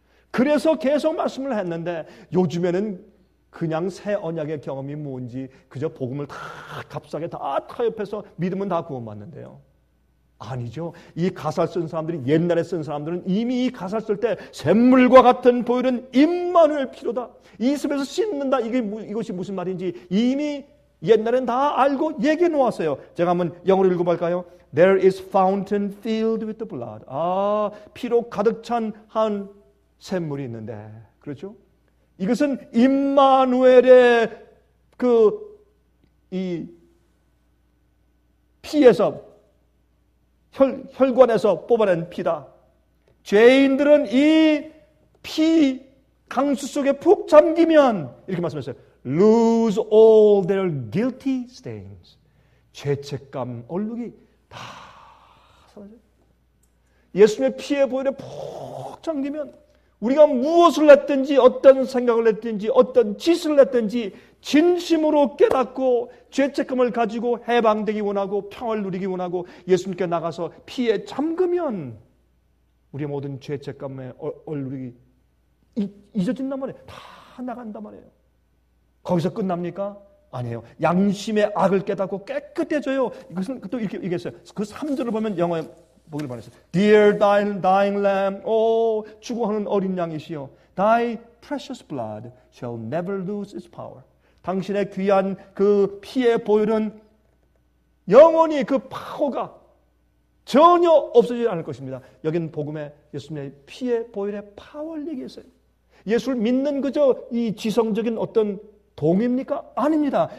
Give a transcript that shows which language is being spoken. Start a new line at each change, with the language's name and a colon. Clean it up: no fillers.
Korean: 그래서 계속 말씀을 했는데 요즘에는 그냥 새 언약의 경험이 뭔지 그저 복음을 다 값싸게 다 타협해서 믿으면 다 구원받는데요. 아니죠. 이 가사를 쓴 사람들이 옛날에 쓴 사람들은 이미 이 가사를 쓸 때 샘물과 같은 보혈은 임마누엘 피로다. 이 입에서 씻는다. 이것이 무슨 말인지 이미 옛날엔 다 알고 얘기해 놓았어요. 제가 한번 영어로 읽어볼까요?
English: There is fountain filled with the blood.
Korean: 아, 피로 가득 찬 한 샘물이 있는데, 그렇죠? 이것은 임마누엘의 그 이 피에서 혈관에서 뽑아낸 피다. 죄인들은 이 피 강수 속에 푹 잠기면 이렇게 말씀하셨어요.
English: Lose all their guilty stains.
Korean: 죄책감 얼룩이 다 사라져요. 예수님의 피의 보혈에 푹 잠기면 우리가 무엇을 했든지 어떤 생각을 했든지 어떤 짓을 했든지 진심으로 깨닫고 죄책감을 가지고 해방되기 원하고 평화를 누리기 원하고 예수님께 나가서 피에 잠그면 우리의 모든 죄책감의 얼룩이 잊어진단 말이에요. 다 나간단 말이에요. 거기서 끝납니까? 아니에요. 양심의 악을 깨닫고 깨끗해져요. 이것은 또 이렇게 얘기했어요. 그 3절을 보면 영어에 보기를 바랬어요.
English: Dear dying lamb,
Korean: 오, 죽어가는 어린 양이시여.
English: Thy precious blood shall never lose its power.
Korean: 당신의 귀한 그 피의 보혈은 영원히 그 파워가 전혀 없어지지 않을 것입니다. 여긴 복음에 예수님의 피의 보혈의 파워를 얘기했어요. 예수를 믿는 그저 이 지성적인 어떤 동의입니까? 아닙니다.